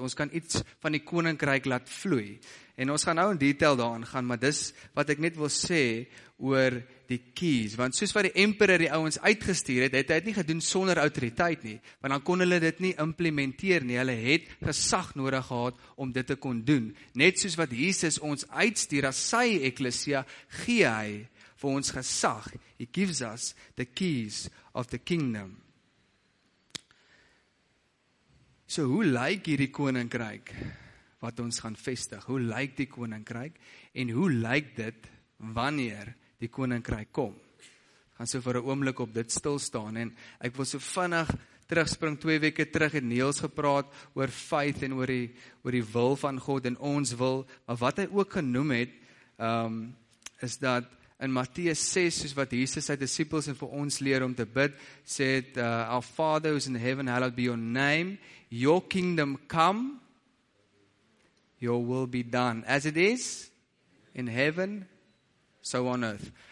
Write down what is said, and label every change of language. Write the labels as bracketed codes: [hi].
[af] Ons kan iets van die koninkryk laat vloei. En ons gaan nou in detail daaraan gaan, maar dis wat ek net wil sê oor die keys. Want soos wat die emperor die ouens uitgestuur het, het hy dit nie gedoen sonder autoriteit nie. Want dan kon hulle dit nie implementeer nie. Hulle het gesag nodig gehad om dit te kon doen. Net soos wat Jesus ons uitstuur as sy ekklesia, gee hy vir ons gesag. [en] He gives us the keys of the kingdom. [af] So hoe lyk hierdie koninkryk wat ons gaan vestig? Hoe lyk die koninkryk? En hoe lyk dit wanneer die koninkryk kom? Gaan so vir 'n oomblik op dit stilstaan, en ek wil so vinnig terugspring, 2 weke terug het Niels gepraat oor faith en oor die wil van God en ons wil, maar wat hy ook genoem het, is dat in Matteus 6, soos wat Jesus sy disciples en vir ons leer om te bid, sê het, [en] our Father who is in heaven, hallowed be your name, your kingdom come, your will be done, as it is in heaven, so on earth.